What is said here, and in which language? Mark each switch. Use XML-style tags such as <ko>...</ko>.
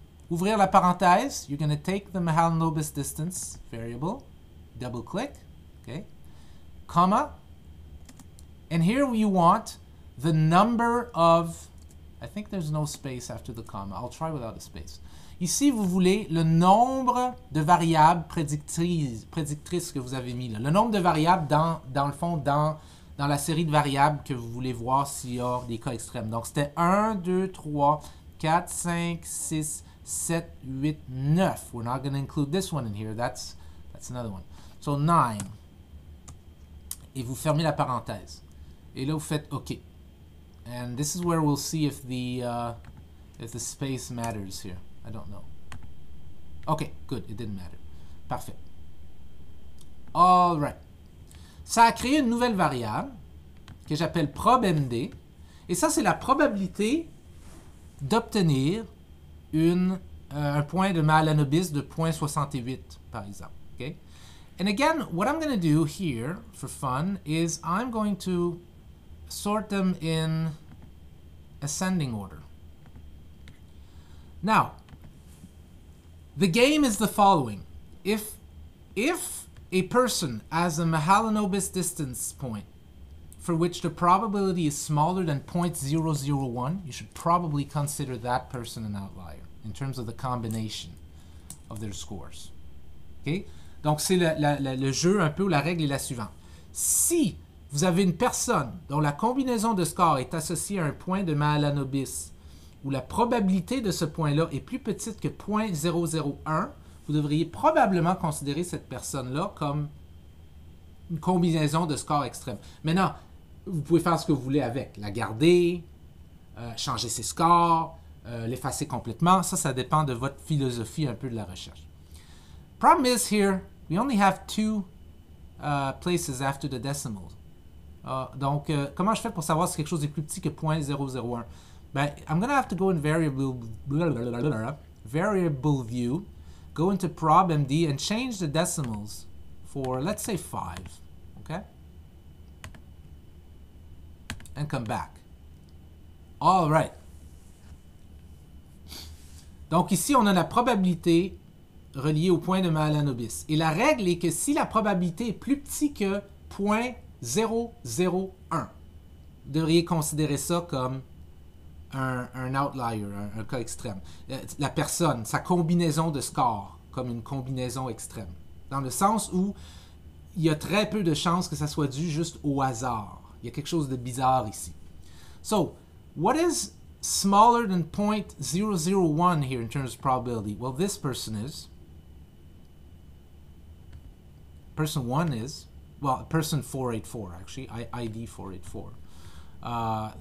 <fr>Ouvrir la parenthèse,</fr> <en>you're going to take the Mahalanobis distance variable, double-click, okay, comma, and here we want the number of, I think there's no space after the comma, I'll try without a space.</en> <fr>Ici, vous voulez le nombre de variables prédictrices que vous avez mis là. Le nombre de variables dans le fond, dans la série de variables que vous voulez voir s'il y a des cas extrêmes. Donc, c'était 1, 2, 3, 4, 5, 6, 7, 8, 9.</fr> <en>We're not going to include this one in here. That's another one. So, 9.</en> <fr>Et vous fermez la parenthèse. Et là, vous faites OK.</fr> <en>And this is where we'll see if the space matters here. I don't know. Okay, good. It didn't matter.</en> <fr>Parfait.</fr> <en>All right.</en> <fr>Ça a créé une nouvelle variable que j'appelle probMD. Et ça, c'est la probabilité d'obtenir un point de Mahalanobis de 0.68, par exemple.</fr> <en>Okay? And again, what I'm going to do here for fun is I'm going to sort them in ascending order. Now, the game is the following. If a person has a Mahalanobis distance point for which the probability is smaller than 0.001, you should probably consider that person an outlier in terms of the combination of their scores. Okay?</en> <fr>Donc, c'est le jeu un peu où la règle est la suivante. Si vous avez une personne dont la combinaison de scores est associée à un point de Mahalanobis où la probabilité de ce point-là est plus petite que 0.001, vous devriez probablement considérer cette personne-là comme une combinaison de scores extrêmes. Maintenant, vous pouvez faire ce que vous voulez avec. La garder, changer ses scores, l'effacer complètement. Ça dépend de votre philosophie un peu de la recherche.</fr> <en>Problem is here, we only have two places after the decimals.</en> <fr>Donc, comment je fais pour savoir si quelque chose est plus petit que 0.001?</fr> <en>But I'm going to have to go in variable view, go into probMD, and change the decimals for, let's say, 5, okay? And come back. All right.</en> <fr>Donc ici, on a la probabilité reliée au point de Mahalanobis. Et la règle est que si la probabilité est plus petite que 0.001, vous devriez considérer ça comme un outlier, un cas extrême. La personne, sa combinaison de scores comme une combinaison extrême. Dans le sens où il y a très peu de chances que ça soit dû juste au hasard. Il y a quelque chose de bizarre ici.</fr> <en>So, what is smaller than 0.001 here in terms of probability? Well, this person is. Person 1 is, well, person 484, actually, ID 484.</en>